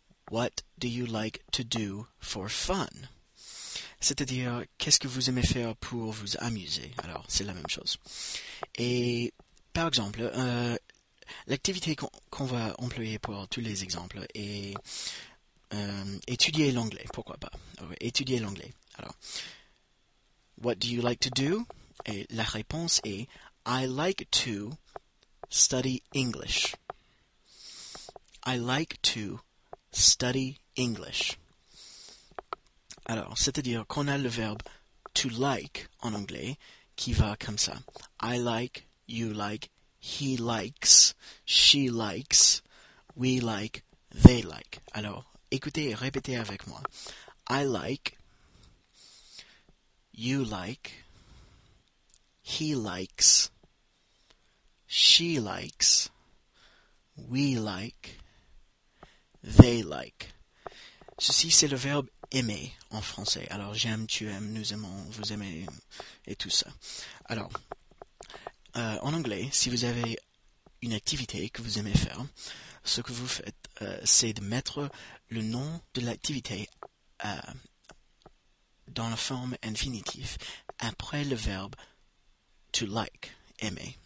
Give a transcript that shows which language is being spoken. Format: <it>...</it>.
<en>What do you like to do for fun?</en> <fr>C'est-à-dire, qu'est-ce que vous aimez faire pour vous amuser? Alors, c'est la même chose. Et, par exemple, l'activité qu'on va employer pour tous les exemples est étudier l'anglais, pourquoi pas? Étudier l'anglais. Alors,</fr> <en>What do you like to do?</en> <fr>Et la réponse est</fr> <en>I like to study English. I like to study English.</en> <fr>Alors, c'est-à-dire qu'on a le verbe to like en anglais qui va comme ça.</fr> <en>I like, you like, he likes, she likes, we like, they like.</en> <fr>Alors, écoutez et répétez avec moi.</fr> <en>I like, you like, he likes, she likes, we like, they like.</en> <fr>Ceci, c'est le verbe aimer en français. Alors, j'aime, tu aimes, nous aimons, vous aimez, et tout ça. Alors, en anglais, si vous avez une activité que vous aimez faire, ce que vous faites, c'est de mettre le nom de l'activité à dans la forme infinitif, après le verbe to like, aimer.</fr>